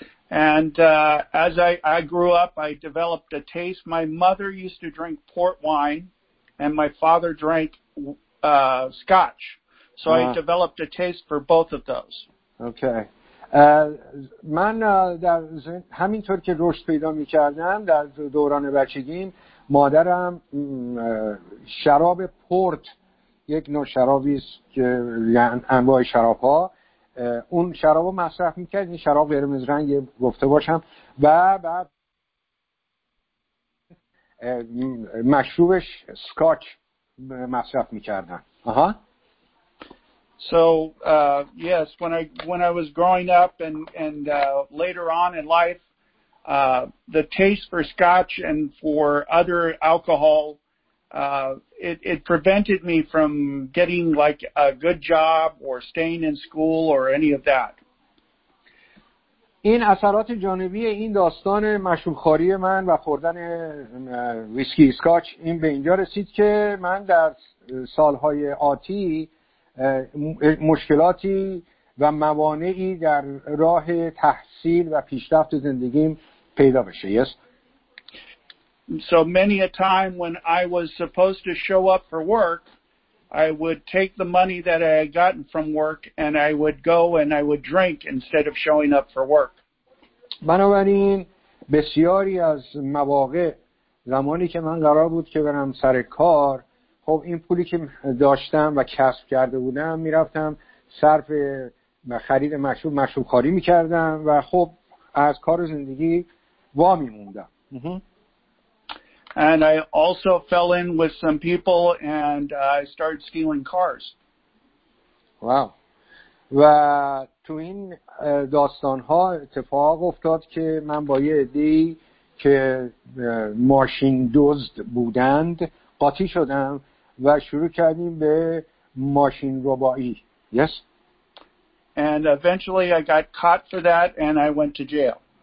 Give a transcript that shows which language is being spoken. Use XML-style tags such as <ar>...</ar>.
<en>And as I grew up I developed a taste. My mother used to drink port wine and my father drank scotch. So I developed a taste for both of those. Okay.</en> <fa>من در همینطور که رشد پیدا می کردم در دوران بچگیم مادرم شراب پورت یک نوع شرابی است که انواع شراب ها اون شراب رو مصرف می کرد، این شراب قرمز رنگ گفته باشم و بعد مشروبش سکاچ مصرف می کردن. آها.</fa> <en>So yes, when I was growing up and later on in life, the taste for scotch and for other alcohol, it prevented me from getting like a good job or staying in school or any of that.</en> <fa>این اثرات جانبی این داستان مشروب‌خواری من و خوردن ویسکی سکاچ این به اینجا رسید که من در سالهای آتی مشکلاتی و موانعی در راه تحصیل و پیشرفت زندگیم پیدا بشه.</fa> <en>Yes. So many a time when I was supposed to show up for work, I would take the money that I had gotten from work and I would go and I would drink instead of showing up for work.</en> <fa>بنابراین بسیاری از مواقع زمانی که من قرار بود که برم سر کار، خب این پولی که داشتم و کسب کرده بودم میرفتم صرف خرید مشروب خاری میکردم و خب از کار زندگی وا میموندم.</fa> <en>And I also fell in with some people and I started stealing cars. Wow.</en> <fa>و تو این داستان ها اتفاق افتاد که من با یه عده‌ای که ماشین دزد بودند قاطی شدم و شروع کردیم به ماشین ربایی.</fa> <en>Yes. And eventually I got caught for that and I went to jail.</en>